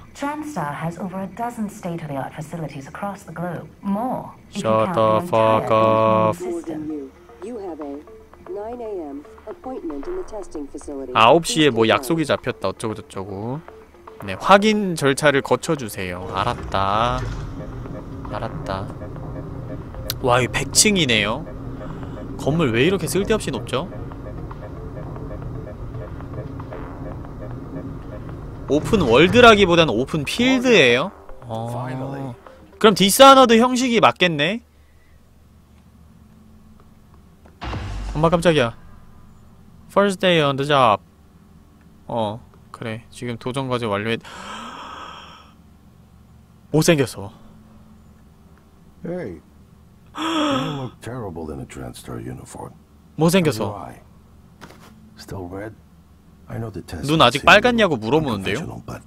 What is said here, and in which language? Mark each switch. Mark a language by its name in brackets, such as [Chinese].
[English] Transtar has over a dozen state-of-the-art facilities across the globe. More. Shut the fuck up. You have a 9 a.m. appointment in the testing facility. [Korean] 9시에 뭐 약속이 잡혔다. 어쩌고 저쩌고. 네, 확인 절차를 거쳐 주세요. 알았다. 알았다. 와, 이 100층이네요. 건물 왜 이렇게 쓸데없이 높죠? 오픈 월드라기보단 오픈 필드예요? 어. 그럼 디스아너드 형식이 맞겠네? 엄마 깜짝이야. [English] First day on the job. [Korean] 어, 그래. 지금 도전과제 완료해. 못생겼어. [English] Hey. You look terrible in a Transtar uniform. [Korean] 못생겼어. [English] Still red? I know the test. [Korean] 눈 아직 빨갛냐고 물어보는데요.